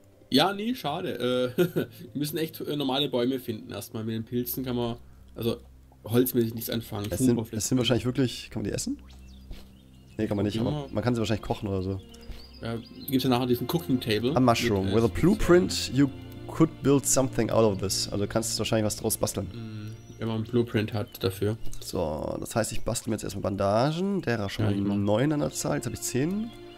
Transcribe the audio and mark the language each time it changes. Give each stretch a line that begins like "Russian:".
German: Ja, nee, schade. Wir müssen echt normale Bäume finden. Erstmal mit den Pilzen kann man, also holzmäßig nichts anfangen. Es sind wahrscheinlich wirklich, kann man die essen? Nee, kann man nicht, aber man kann sie wahrscheinlich kochen oder so. Ja, gibt's ja nachher diesen Cooking Table.
English: A Mushroom.
German: Mit,
English: with a blueprint, you could build something out of this.
German: Also kannst du wahrscheinlich was draus basteln. Wenn man einen Blueprint hat dafür. So, das heißt, ich bastel mir jetzt erstmal Bandagen. Der hat schon 9 an der Zahl, jetzt habe ich 10.